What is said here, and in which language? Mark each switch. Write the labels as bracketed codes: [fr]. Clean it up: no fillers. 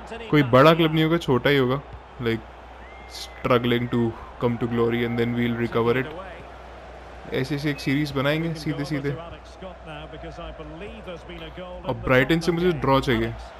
[hi] कोई बड़ा क्लब नहीं होगा, छोटा ही होगा. [en] Like struggling to come to glory and then we'll recover it. [hi] ऐसे ऐसे एक सीरीज बनाएंगे सीधे सीधे. अब ब्राइटन से मुझे ड्रॉ चाहिए.